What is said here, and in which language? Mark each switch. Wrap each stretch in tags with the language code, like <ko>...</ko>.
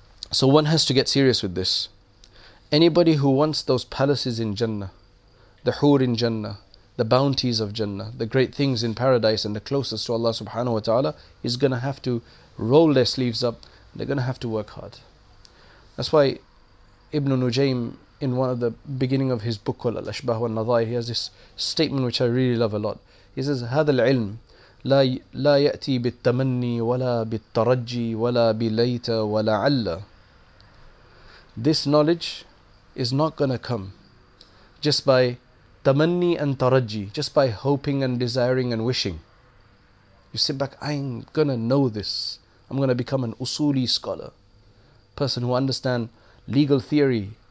<en>So one has to get serious with this. Anybody who wants those palaces in Jannah, the hoor in Jannah, the bounties of Jannah, the great things in paradise and the closest to Allah subhanahu wa ta'ala, is going to have to roll their sleeves up. They're going to have to work hard. That's why Ibn Nujaym, in one of the beginning of his book called Al-Ashbah wa Al-Nadhaih, he has this statement which I really love a lot. He says,</en> <ar>هذا العلم لا يأتي بالتمني ولا بالترجي ولا بليت ولا علا.</ar> <en>This knowledge is not going to come just by tamanni and taraji, just by hoping and desiring and wishing. You sit back, I'm going to know this. I'm going to become an usuli scholar, person who understands legal theory.</en>